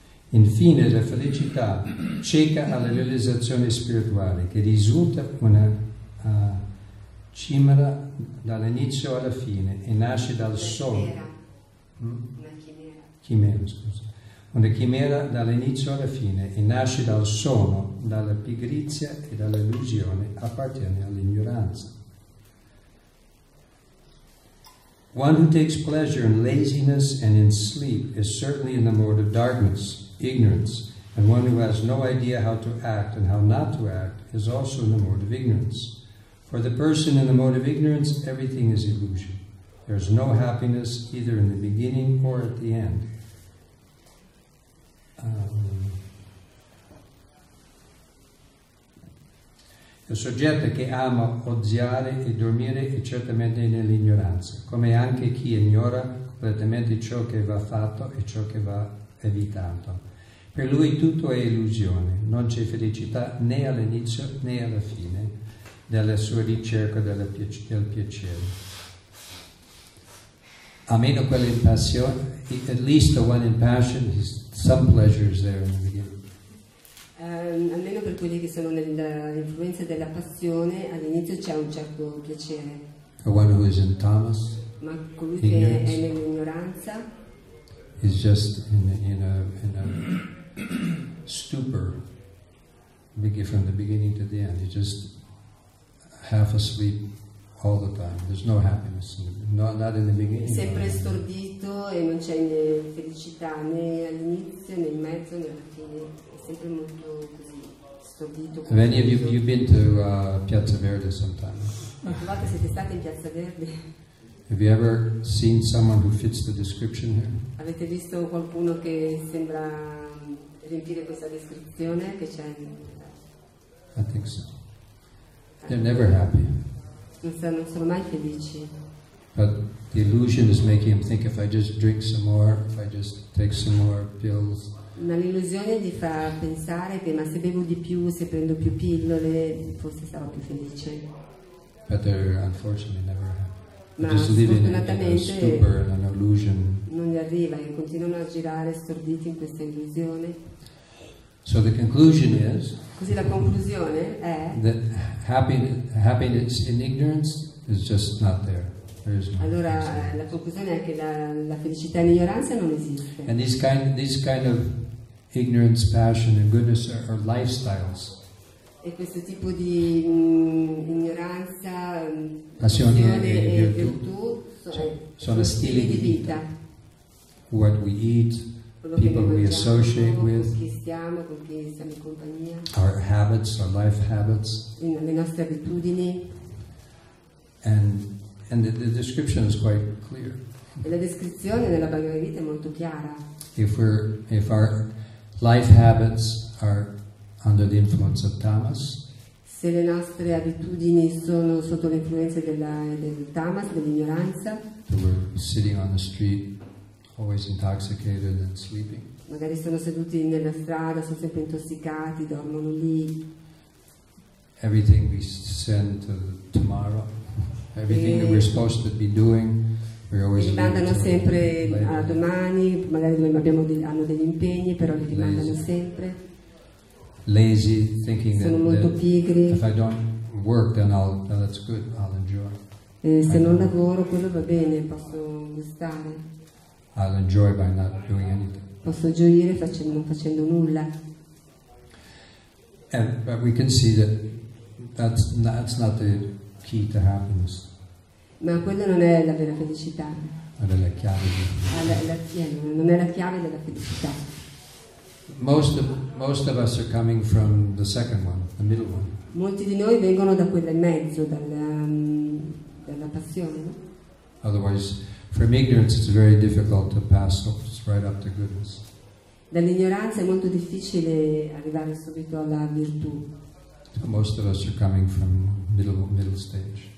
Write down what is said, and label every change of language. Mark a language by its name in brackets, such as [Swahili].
[Italian] Infine, la felicità cieca alle realizzazioni spirituali che risulta una cimera dall'inizio alla fine e nasce dal sole. Una chimera dall'inizio alla fine e nasce dal sonno, dalla pigrizia e dall'illusione, appartiene all'ignoranza. [English] One who takes pleasure in laziness and in sleep is certainly in the mode of darkness, ignorance, and one who has no idea how to act and how not to act is also in the mode of ignorance. For the person in the mode of ignorance, everything is illusion. There is no happiness either in the beginning or at the end. [Italian] Il soggetto che ama oziare e dormire è certamente nell'ignoranza, come anche chi ignora completamente ciò che va fatto e ciò che va evitato. Per lui tutto è illusione, non c'è felicità né all'inizio né alla fine della sua ricerca del piacere. A meno quella in passione, [English] at least the one in passion, some pleasure is there in the beginning. [Italian] Almeno per quelli che sono nell'influenza della passione, all'inizio c'è un certo piacere. [English] One who is in Thomas, [Italian] ma colui che [English] ignorance, [Italian] è nell'ignoranza [English] is just in a stupor, from the beginning to the end, he's just half asleep all the time. There's no happiness, not in the beginning. [Italian] Sempre stordito e non c'è né felicità né all'inizio né in mezzo né alla fine. È sempre molto così stordito. [English] Have any of you been to Piazza Verde sometime? [Italian] Quante volte siete stati in Piazza Verde? [English] Have you ever seen someone who fits the description here? [Italian] Avete visto qualcuno che sembra riempire questa descrizione che c'è? [English] I think so. They're never happy. [Italian] Non sono mai felici. [English] But the illusion is making them think if I just drink some more, if I just take some more pills. [Italian] Ma l'illusione gli fa pensare che ma se bevo di più, se prendo più pillole, forse sarò più felice. [English] But they're unfortunately never happy. They just live in a stupor and an illusion. [Italian] Non gli arriva e continuano a girare storditi in questa illusione. [English] So the conclusion is. [Italian] Così la conclusione è. [English] That happiness in ignorance is just not there. There is no. [Italian] Allora [English] happiness. [Italian] La conclusione è che la felicità in ignoranza non esiste. [English] And these kind of ignorance, passion, and goodness are lifestyles. [Italian] E questo tipo di ignoranza, passione e virtù sono stili di vita. [English] What we eat. [Italian] Quello [English] people [Italian] che [English] we associate with, [Italian] chi stiamo, con chi siamo in compagnia, [English] our habits, our life habits, [Italian] le nostre abitudini, [English] and the description is quite clear. [Italian] E la descrizione della Bhagavad Gita è molto chiara. [English] If our life habits are under the influence of tamas, [Italian] se le nostre abitudini sono sotto l'influenza del tamas, dell'ignoranza, [English] so we're sitting on the street. Always intoxicated and sleeping. [Italian] Magari sono seduti nella strada, sono sempre intossicati, dormono lì. [English] Everything we send to tomorrow, everything that we're supposed to be doing, we're always. [Italian] Rimandano sempre a domani, magari noi hanno degli impegni, però li rimandano sempre. [English] Lazy, thinking [Italian] sono [English] that [Italian] molto pigri. [English] If I don't work, then that's good. I'll enjoy. [Italian] Se non lavoro, quello va bene, posso gustare. [English] I'll enjoy by not doing anything. [Italian] Posso gioire non facendo nulla. [English] But we can see that's not the key to happiness. [Italian] Ma quella non è la vera felicità. Non è la chiave. Non è la chiave della felicità. [English] Most of us are coming from the second one, the middle one. [Italian] Molti di noi vengono da quella in mezzo, dalla passione, no? [English] Otherwise. From ignorance, it's very difficult to pass right up to goodness. [Italian] Dall'ignoranza è molto difficile arrivare subito alla virtù. [English] So most of us are coming from middle stage.